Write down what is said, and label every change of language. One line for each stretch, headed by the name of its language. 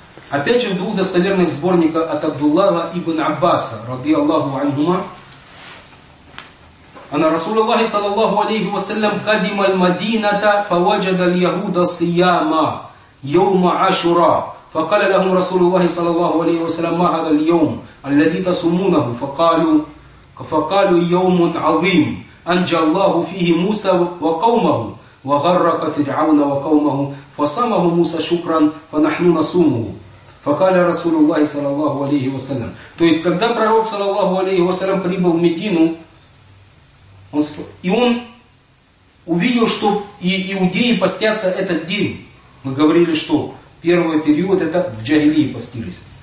Russian: Опять же, в двух достоверных сборниках от Абдуллаха ибн Аббаса,
Arabic: ради Аллаху анхума, «Анна Расулаллахи, саллаллаху алейхи ва саллям, кадима аль-Мадината, фаваджада аль-Ягуда сияма, йома ашура». فقال لهم رسول الله صلى الله عليه وسلم ما هذا اليوم الذي تصومونه فقالوا يوم عظيم أنجى الله فيه موسى وقومه وغرق فرعون وقومه فصامه موسى شكرا فنحن نصومه فقال رسول الله صلى الله عليه وسلم.
Russian: То есть когда пророк صلى الله عليه وسلم прибыл в Медину, он увидел, что и иудеи постятся этот день. Мы говорили, что первый период это в джагилии постились.